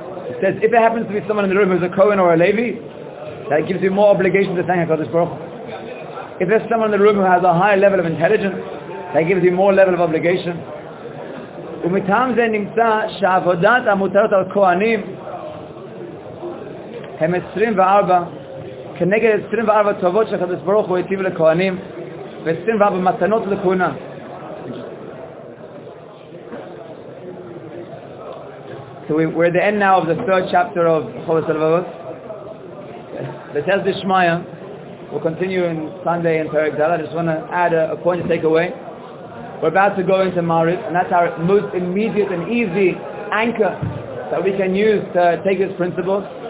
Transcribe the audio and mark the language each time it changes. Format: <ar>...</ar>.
<en>It says, if it happens to be someone in the room who's a Kohen or a Levi, that gives you more obligation to thank HaKadosh Baruch Hu. If there's someone in the room who has a higher level of intelligence, that gives you more level of obligation.</en> <he>ומטעם זה נמצא שעבודת המותרת על כהנים הם 24 כנגד 24 טובות של הקדוש ברוך הוא היטיב לכהנים ו24 מתנות לכהונה.</he> <en>So we're at the end now of the third chapter of Chovos HaLevavot. Betez Dishmaya, we'll continue on Sunday in Perek Dal. I just want to add a point to take away. We're about to go into Maariv, and that's our most immediate and easy anchor that we can use to take this principle.</en>